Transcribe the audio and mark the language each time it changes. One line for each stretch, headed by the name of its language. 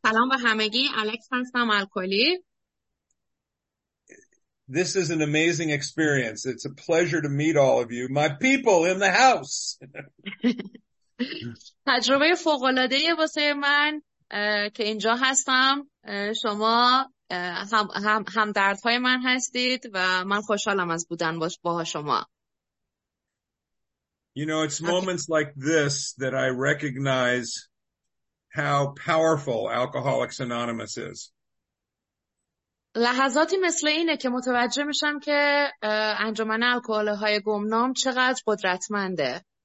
Persian: سلام به همگی، الکس هستم، الکلی.
English: This is an amazing experience. It's a pleasure to meet all of you, my people in the house.
Persian: تجربه فوق‌العاده‌ای واسه من که اینجا هستم، شما همدردهای من هستید و من خوشحالم از بودن با شما.
English: You know, it's moments like this that I recognize how powerful Alcoholics Anonymous is.
Persian: لحظاتی مثل اینه که متوجه میشم که انجمن الکل‌های گمنام چقدر قدرتمنده.